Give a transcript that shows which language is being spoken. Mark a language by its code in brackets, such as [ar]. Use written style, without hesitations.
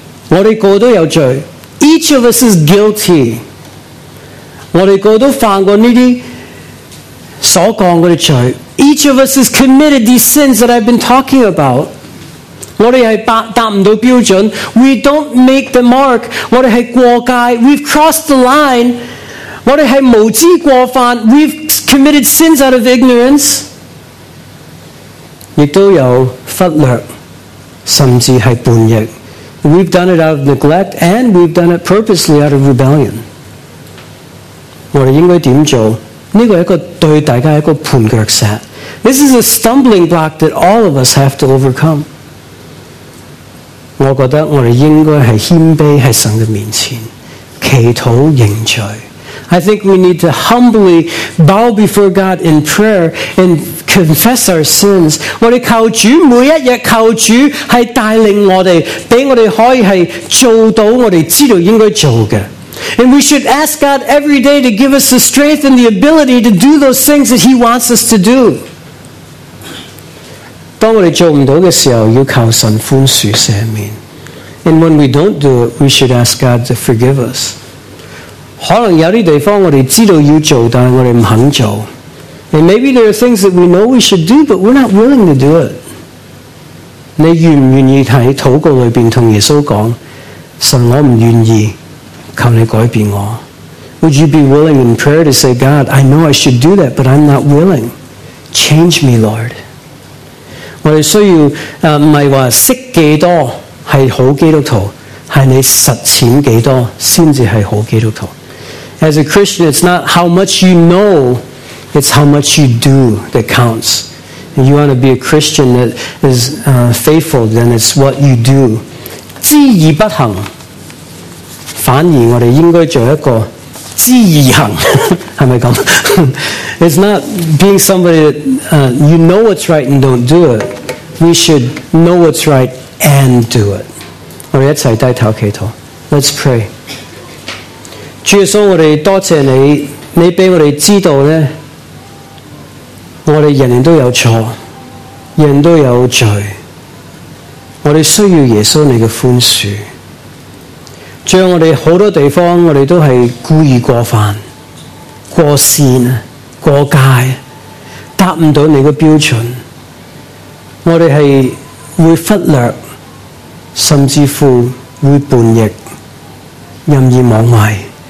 [zh] 我们个都有罪， [en] each of us is guilty. [zh] 我们个都犯过这些所讲的罪， [en] each of us has committed these sins that I've been talking about. [zh] 我们是达不到标准， [en] we don't make the mark. [zh] 我们是过界， [en] we've crossed the line. [zh] 我们是无知过犯， [en] we've committed sins out of ignorance. [zh] 也都有忽略，甚至是叛逆。 [en] We've done it out of neglect, and we've done it purposely out of rebellion. [zh] 我们应该怎么做？这个是一个对大家一个叛逆石。 [en] This is a stumbling block that all of us have to overcome. [zh] 我觉得我们应该是谦卑在神的面前祈祷认罪。 [en] I think we need to humbly bow before God in prayer and confess our sins. [zh] 我们求主，每一日求主是带领我们，让我们可以是做到我们知道应该做的。 [en] And we should ask God every day to give us the strength and the ability to do those things that He wants us to do. [zh] 当我们做不到的时候，要靠神宽恕赦免。 [en] And when we don't do it, we should ask God to forgive us. [zh] 可能有些地方我们知道要做，但是我们不肯做。 [en] And maybe there are things that we know we should do, but we're not willing to do it. [zh] 你愿不愿意在祷告里面跟耶稣说，神，我不愿意，求你改变我。 [en] Would you be willing in prayer to say, God, I know I should do that, but I'm not willing. Change me, Lord. [zh] 我们需要不是说识多少是好基督徒，是你实践多少才是好基督徒。 [en] As a Christian, it's not how much you know, it's how much you do that counts. If you want to be a Christian that is faithful, then it's what you do. [zh] 知而不行，反而我们应该做一个知而行，是不是这样？ [en] It's not being somebody that you know what's right and don't do it. We should know what's right and do it. [zh] 我们一起低头祈祷。 [en] Let's pray. [zh] 主耶稣，我们多谢你，你给我们知道呢，我们人人都有错，人人都有罪，我们需要耶稣你的宽恕。主，我们很多地方我们都是故意过犯过线过界，达不到你的标准，我们是会忽略，甚至乎会叛逆，任意妄为。